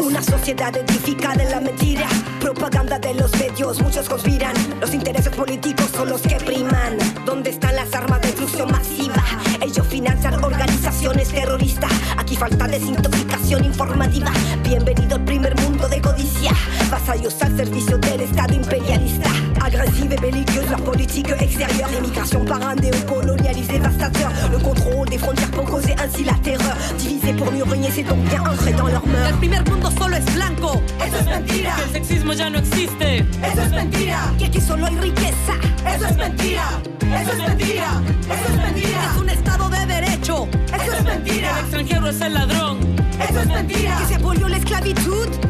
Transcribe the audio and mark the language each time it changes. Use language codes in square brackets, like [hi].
[es] Una sociedad edificada en la mentira, propaganda de los medios, muchos conspiran. Los intereses políticos son los que priman. ¿Dónde están las armas de destrucción masiva? Ellos financian organizaciones terroristas. Aquí falta desintoxicación informativa. Bienvenido al primer mundo de codicia, vasallos al servicio del Estado imperialista. [fr] Agresive et belliqueuse, la politique extérieure. L'immigration parrainée ou colonialisée, dévastateur. Le contrôle des frontières pour causer ainsi la terreur. Divisé pour mieux régner, c'est donc bien entrer dans leur mœurs. [es] El primer mundo solo es blanco. Eso es mentira. Que el sexismo ya no existe. Eso es mentira. Que aquí solo hay riqueza. Eso es mentira. Eso es mentira. Eso es mentira. Es un estado de derecho. Eso es mentira. El extranjero es el ladrón. Eso es mentira. Que se abolió la esclavitud.